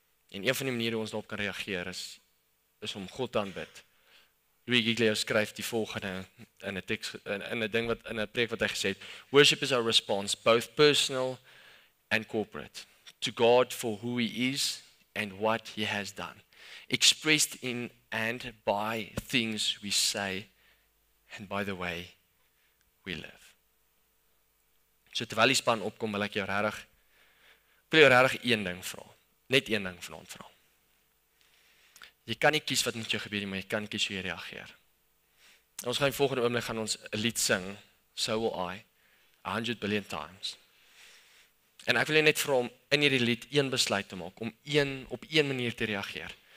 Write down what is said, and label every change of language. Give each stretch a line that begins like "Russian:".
Afrikaans: En een van die maniere hoe ons daarop kan reageer is om God te aanbid. Louis Giglio skryf die volgende in 'n teks in 'n ding wat in 'n preek wat hy gesê het:
English: "Worship is our response, both personal and corporate, to God for who he is and what he has done, expressed in and by things we say and by the way we live."
Afrikaans: So terwyl die span opkom, wil ek jou regtig een ding vra. Net een ding vanaand vra. Jy kan nie kies wat met jou gebeur nie, maar jy kan kies hoe jy reageer. En ons gaan die volgende oomblik gaan ons 'n lied sing, So Will I, 100 Billion Times. En ek wil jy net vir hom in hierdie lied een besluit te maak, om een op een manier te reageer.